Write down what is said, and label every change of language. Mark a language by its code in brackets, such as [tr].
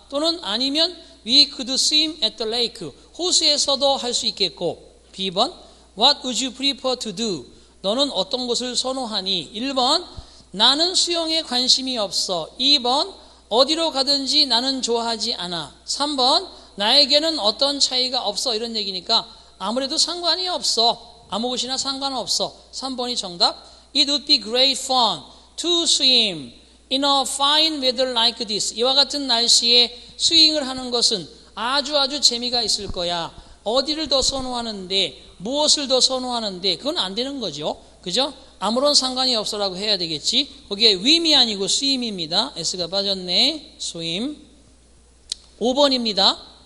[ko] 또는 아니면 [en] we could swim at the lake. [ko] 호수에서도 할 수 있겠고. [en] B번. What would you prefer to do? [ko] 너는 어떤 것을 선호하니? 1번. 나는 수영에 관심이 없어. 2번. 어디로 가든지 나는 좋아하지 않아. 3번. 나에게는 어떤 차이가 없어. 이런 얘기니까 아무래도 상관이 없어. 아무 곳이나 상관없어. 3번이 정답. [en] It would be great fun to swim in a fine weather like this. [ko] 이와 같은 날씨에 스윙을 하는 것은 아주 아주 재미가 있을 거야. 어디를 더 선호하는데, 무엇을 더 선호하는데, 그건 안 되는 거죠. 그죠? 아무런 상관이 없어라고 해야 되겠지. 거기에 swim이 아니고 swim입니다. S가 빠졌네. swim. 5번입니다.